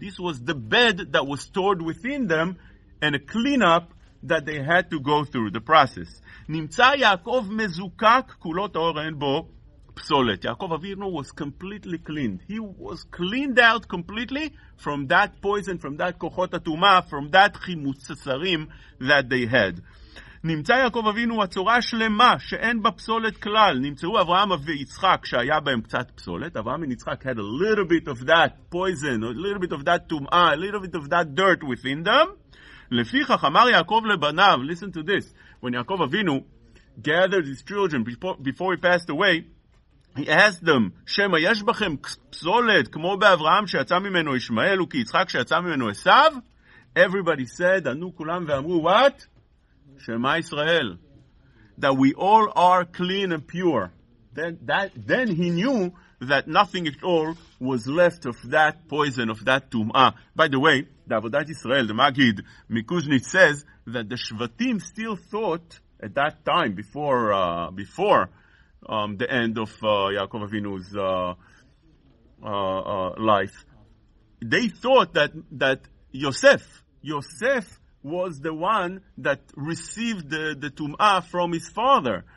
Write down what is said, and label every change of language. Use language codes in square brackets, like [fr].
[en] This was the bed that was stored within them and a cleanup that they had to go through, the process. [he] Nimtza Yaakov mezukak kulot ha'or en bo psolet. [en] Yaakov Avinu was completely cleaned. He was cleaned out completely from that poison, from that kochot ha'tumah, from that chimutz ha'sarim that they had. [he] נמצא יעקב אבינו הצורה שלמה שאין בה פסולת כלל. נמצאו אברהם ויצחק שהיה בהם קצת פסולת. [en] אברהם ויצחק had a little bit of that poison, a little bit of that tum'ah, a little bit of that dirt within them. [he] לפיכך אמר יעקב לבניו, [en] listen to this, when יעקב אבינו gathered his children before he passed away, he asked them, [he] שמה יש בכם פסולת כמו באברהם שיצא ממנו ישמעאל וכי יצחק שיצא ממנו עשיו? [en] Everybody said, [he] ענו כולם ואמרו, [en] what? Shema Israel, that we all are clean and pure. Then he knew that nothing at all was left of that poison, of that tum'ah. By the way, the Avodat Israel, the Magid Mikuznit says that the Shvatim still thought at that time, before the end of Yaakov Avinu's life, they thought that Yosef was the one that received the tum'ah from his father.